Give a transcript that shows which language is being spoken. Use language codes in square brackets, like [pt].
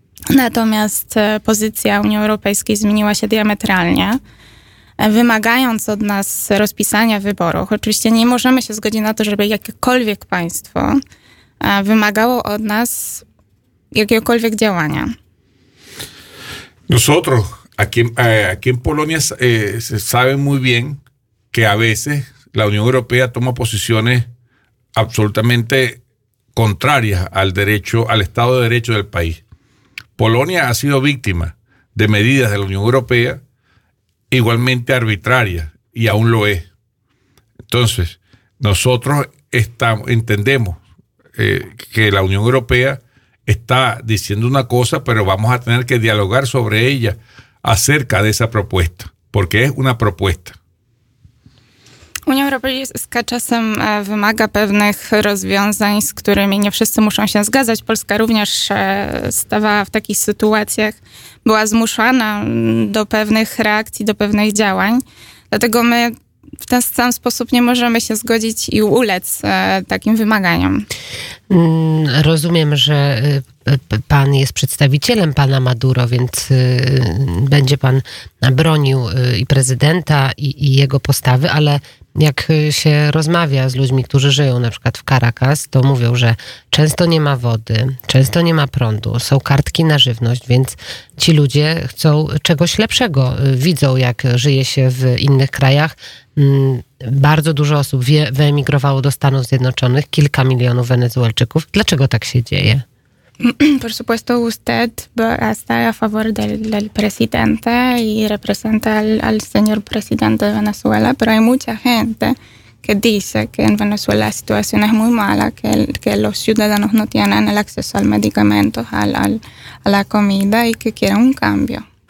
[pl] Natomiast pozycja Unii Europejskiej zmieniła się diametralnie, wymagając od nas rozpisania wyborów. Oczywiście nie możemy się zgodzić na to, żeby jakiekolwiek państwo wymagało od nas jakiegokolwiek działania. [es] Nosotros, aquí en Polonia se sabe muy bien que a veces la Unión Europea toma posiciones absolutamente contrarias al derecho, al Estado de Derecho del país. Polonia ha sido víctima de medidas de la Unión Europea igualmente arbitraria, y aún lo es. Entonces, nosotros entendemos que la Unión Europea está diciendo una cosa, pero vamos a tener que dialogar sobre ella acerca de esa propuesta, porque es una propuesta. [pl] Unia Europejska czasem wymaga pewnych rozwiązań, z którymi nie wszyscy muszą się zgadzać. Polska również stawała w takich sytuacjach, była zmuszana do pewnych reakcji, do pewnych działań. Dlatego my w ten sam sposób nie możemy się zgodzić i ulec takim wymaganiom. Rozumiem, że pan jest przedstawicielem pana Maduro, więc będzie pan bronił i prezydenta, i jego postawy, ale jak się rozmawia z ludźmi, którzy żyją na przykład w Caracas, to mówią, że często nie ma wody, często nie ma prądu, są kartki na żywność, więc ci ludzie chcą czegoś lepszego. Widzą, jak żyje się w innych krajach. Bardzo dużo osób wyemigrowało do Stanów Zjednoczonych, kilka milionów Wenezuelczyków. Dlaczego tak się dzieje? [es] Por supuesto, usted está a favor del presidente y representa al señor presidente de Venezuela, pero hay mucha gente que dice que en Venezuela la situación es muy mala, que los ciudadanos no tienen el acceso al medicamento, a la comida y que quieren un cambio.